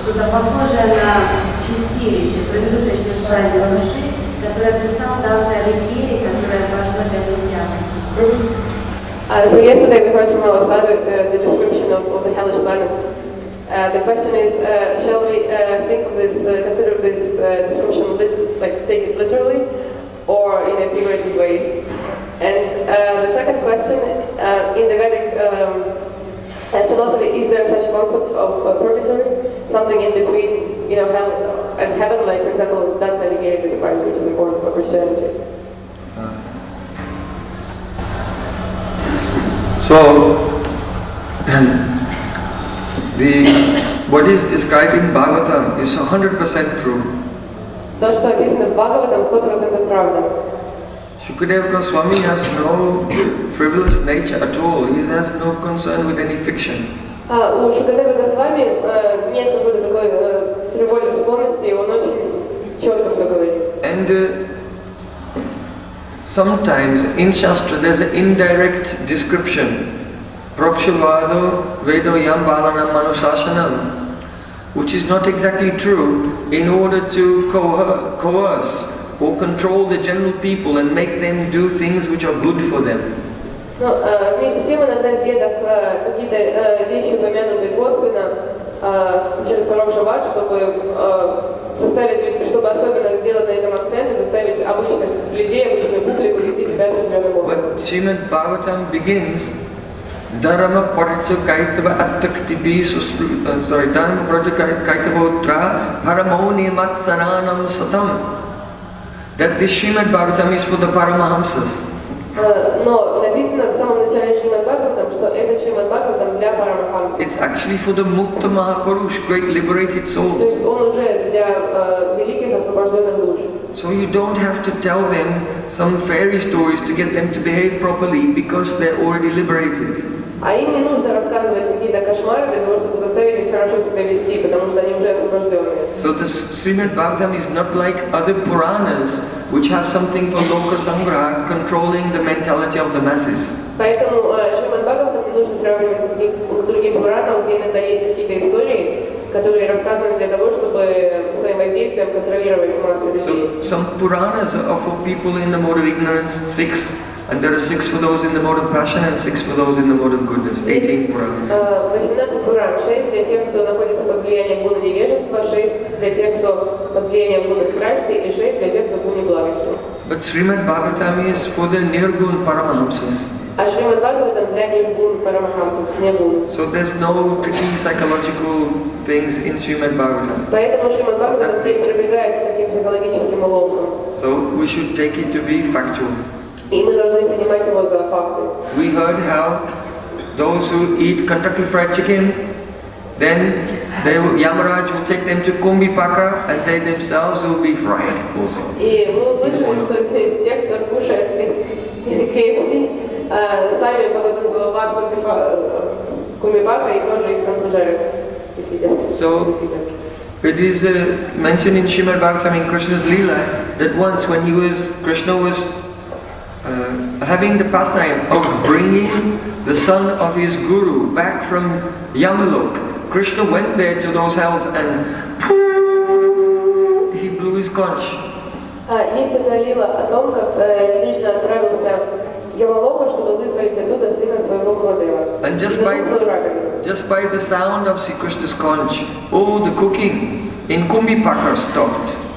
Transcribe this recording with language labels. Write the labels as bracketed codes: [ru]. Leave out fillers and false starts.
[ru] похоже на чистилище, промежуточный слой для души, который писал данный Алигири, который важно для христианства. [en] So yesterday we heard from our sadhak the description of the hellish planets. The question is, shall we think of this, consider this description, take it literally, or in a figurative way? And the second question, in the Vedic philosophy, is there such a concept of purgatory, something in between, you know, hell and heaven, like for example, Dante Alighieri described, which is important for Christianity? So, what is described in Bhagavatam is 100% true. [ru] То, что описано в Бхагаватам, 100% правда. [en] Shukadeva Goswami has no frivolous nature at all. He has no concern with any fiction. [ru] У Шукадевы Госвами нет какой-то такой фривольной склонности, он очень четко все говорит. [en] And sometimes in Shastra there's an indirect description. Prakshavado Vedo Yam Balanam Manushasanam, which is not exactly true, in order to coerce or control the general people and make them do things which are good for them. [ru] Ну, вместе с тем иногда в ведах какие-то вещи упомянуты косвенно через Прокшавад, чтобы заставить, чтобы особенно сделать на этом акцент и заставить обычных людей, обычную публику вести себя определенным образом. [en] But Srimad Bhagavatam begins Dharma Parcha Kaitava Attaktibi Dharma Parcha Kaitava Uttra Paramoni Matsaranam Satam. That this Srimad Bhagavatam is for the Paramahamsas. [ru] No, написано в самом начале Srimad Bhagavatam, что это Srimad Bhagavatam для Paramahamsas. [en] It's actually for the Mukta Mahapurush, great liberated souls. [ru] То есть он уже для великих освобожденных душ. [en] So you don't have to tell them some fairy stories to get them to behave properly because they're already liberated. [ru] А им не нужно рассказывать какие-то кошмары для того, чтобы заставить их хорошо себя вести, потому что они уже освобожденные. [en] So the Srimad Bhagavatam is not like other Puranas, which have something for Loka Sangraha, controlling the mentality of the masses. [ru] Поэтому Srimad Bhagavatam не нужно сравнивать с другими Пуранами, где иногда есть какие-то истории, которые рассказаны для того, чтобы своим воздействием контролировать массы людей. [en] So some Puranas are for people in the mode of ignorance, six. And there are six for those in the mode of passion and six for those in the mode of goodness. 18 Puranas. [ru] 18 Puran, 6 для тех, кто находится под влиянием гуна невежества, 6 для тех, кто под влиянием гуна страсти, и 6 для тех, кто гуна благости. [en] But Srimad Bhagavatam is for the nirgun paramahamsas. [ru] А Шримад Бхагаватам для нирвун парамахамсас, нирвун. [en] So there's no tricky psychological things in Srimad Bhagavatam. [ru] Поэтому Шримад Бхагаватам не прибегает к таким психологическим уловкам. [en] So we should take it to be factual. [ru] И мы должны принимать его за факты. [en] We heard how those who eat Kentucky Fried Chicken, then they will, Yamaraj will take them to Kumbhi Paka and they themselves will be fried also. [ru] И мы услышали, что те, кто кушает KFC, сами попадут в ад Кумибака и тоже их там зажарят и съедят. [en] So, it is mentioned in Srimad Bhagavatam in Krishna's Leela that once when Krishna was having the pastime of bringing the son of his guru back from Yamalok, Krishna went there to those hells and he blew his conch. [ru] Есть такая лила о том, как Кришна отправился [en] And just by the sound of Sri Krishna's conch, all the cooking in Kumbhi Paka stopped.